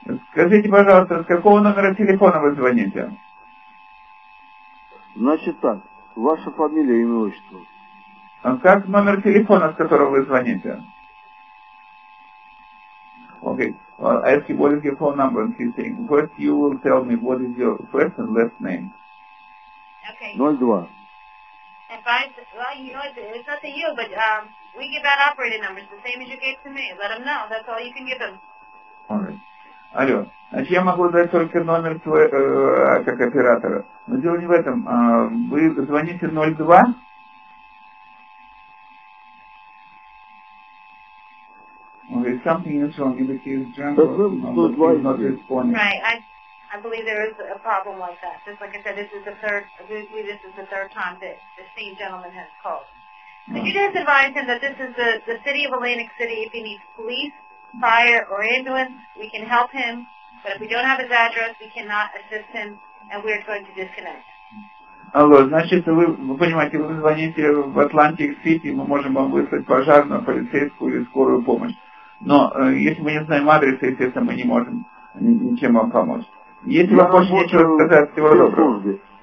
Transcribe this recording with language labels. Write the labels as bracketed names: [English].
[Russian] Скажите, пожалуйста, с какого номера телефона вы звоните? Значит так, ваша фамилия, имя, отчество. А как номер телефона, с которого вы звоните? [English] Okay, well, I ask you what is your phone number and he's saying. First you will tell me what is your first and last name. Okay. 02. Well, you know, it's not to you, but we give out operator numbers, the same as you gave to me. Let them know. That's all you can give them. All right. Алло. [Russian] Значит, я могу дать только номер твой, как оператора. Но дело не в этом. Вы звоните 02? [English] Okay, something is wrong. If it is drunk, but the number two is not responding. Right. I believe there is a problem like that. Just like I said, this is the third time that the same gentleman has called. Could you just advise him that this is the city of Atlantic City? If he needs police, fire, or ambulance, we can help him. But if we don't have his address, we cannot assist him, and we are going to disconnect. [Russian] Алло, значит, вы понимаете, вы звоните в Atlantic City, мы можем вам выслать пожарную, полицейскую или скорую помощь. Но если мы не знаем адреса, естественно, мы не можем ничем вам помочь. Если вам больше нечего сказать, всего доброго.